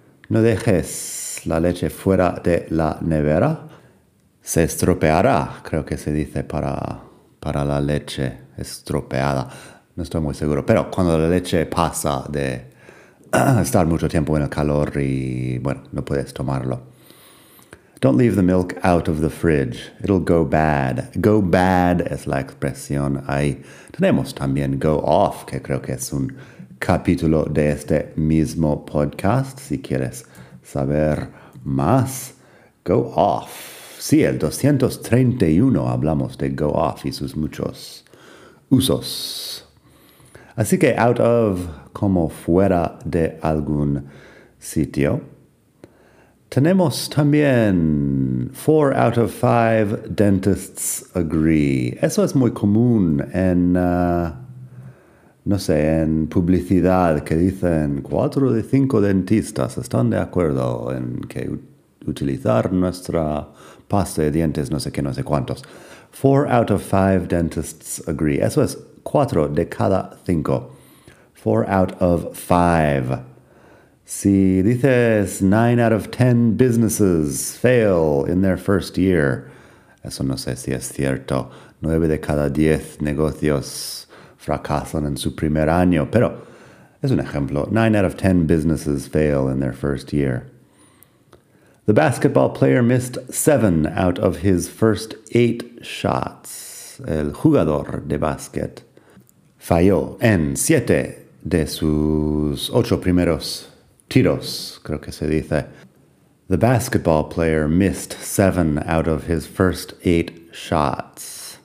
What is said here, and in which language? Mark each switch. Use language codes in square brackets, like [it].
[es] No dejes la leche fuera de la nevera. Se estropeará, creo que se dice para la leche estropeada. No estoy muy seguro, pero cuando la leche pasa de estar mucho tiempo en el calor y, bueno, no puedes tomarlo. [en] Don't leave the milk out of the fridge. It'll go bad. Go bad [es] es la expresión ahí. Tenemos también [en] go off, [es] que creo que es un capítulo de este mismo podcast. Si quieres saber más, [en] go off. [es] Sí, el 231 hablamos de [en] go off [es] y sus muchos usos. Así que [en] out of, [es] como fuera de algún sitio. Tenemos también [en] 4 out of 5 dentists agree. [es] Eso es muy común en, en publicidad que dicen 4 de 5 dentistas están de acuerdo en que utilizar nuestra pasta de dientes, no sé qué, no sé cuántos. [en] 4 out of 5 dentists agree. [es] Eso es 4 de cada 5. [en] 4 out of 5. [es] Si dices [en] 9 out of 10 businesses fail in their first year. [es] Eso no sé si es cierto. 9 de cada 10 negocios fracasan en su primer año. Pero es un ejemplo. [en] 9 out of 10 businesses fail in their first year. The basketball player missed 7 out of his first 8 shots. [es] El jugador de básquet falló en 7 de sus 8 primeros tiros, creo que se dice. [en] The basketball player missed 7 out of his first 8 shots.